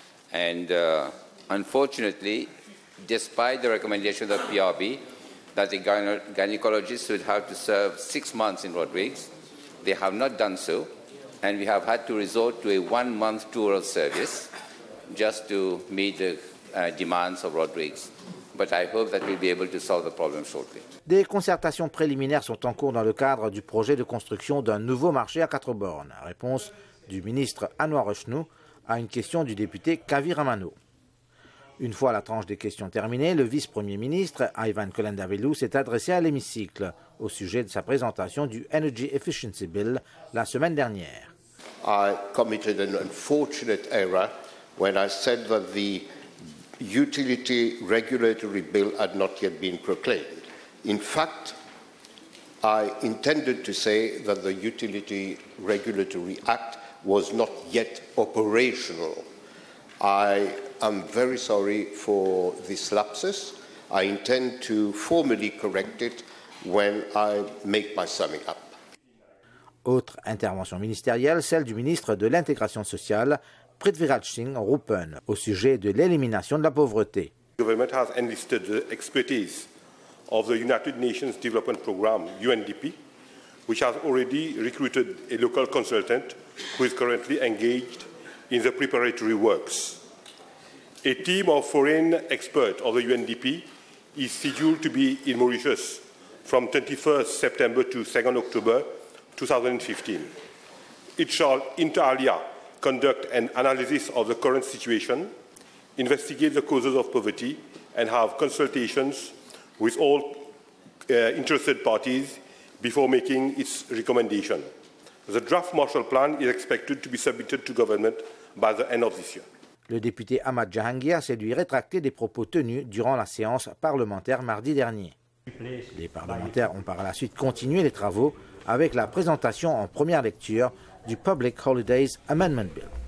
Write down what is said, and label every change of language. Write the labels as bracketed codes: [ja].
[en] And unfortunately, despite the recommendation of the PRB that the gynecologists should have to serve 6 months in Rodrigues, they have not done so. And we have had to resort to a one-month tour of service just to meet the demands of Rodrigues. But I hope that we'll be able to solve the problem shortly. [fr] Des concertations préliminaires sont en cours dans le cadre du projet de construction d'un nouveau marché à quatre bornes. Réponse du ministre Anouar Rochnou à une question du député Kavi Ramano. Une fois la tranche des questions terminée, le vice-premier ministre, Ivan Colendavelou, s'est adressé à l'hémicycle au sujet de sa présentation du Energy Efficiency Bill la semaine dernière. [en] I committed an unfortunate error when I said that the utility regulatory bill had not yet been proclaimed. In fact, I intended to say that the Utility Regulatory Act was not yet operational. I am very sorry for this lapsus. I intend to formally correct it when I make my summing up. [fr] Autre intervention ministérielle, celle du ministre de l'Intégration sociale, Prithviraj Singh Rupen, au sujet de l'élimination de la pauvreté. [en] The government has enlisted the expertise of the United Nations Development Programme, UNDP, which has already recruited a local consultant who is currently engaged in the preparatory works. A team of foreign experts of the UNDP is scheduled to be in Mauritius from 21st September to 2nd October 2015. It shall inter alia conduct an analysis of the current situation, investigate the causes of poverty, and have consultations with all interested parties before making its recommendation. The draft Marshall Plan is expected to be submitted to government by the end of this year. [fr] Le député Ahmad Jahangir s'est lui rétracté des propos tenus durant la séance parlementaire mardi dernier. Les parlementaires ont par la suite continué les travaux avec la présentation en première lecture du Public Holidays Amendment Bill.